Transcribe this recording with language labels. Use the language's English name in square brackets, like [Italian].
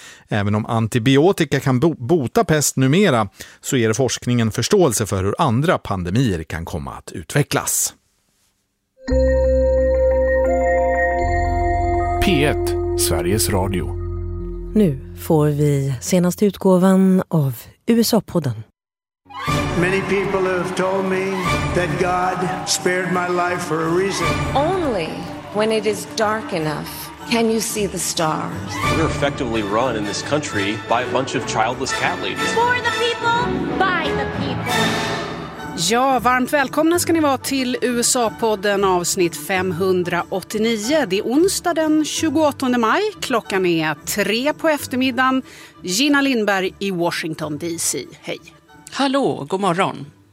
[Swedish] Även om antibiotika kan bota pest numera så ger forskningen förståelse för hur andra pandemier kan komma att utvecklas. P1, Sveriges Radio. Nu får vi senaste utgåvan av USA-podden. [English] Many people have told me that God spared my life for a reason. Only when it is dark enough can you see the stars. We're effectively run in this country by a bunch of childless cat ladies. For the people, by the people. [Swedish] Ja, varmt välkomna ska ni vara till USA-podden avsnitt 589. Det är onsdag den 28 maj. Klockan är 3 på eftermiddagen. Gina Lindberg i Washington DC. Hej. Hallå, god morgon.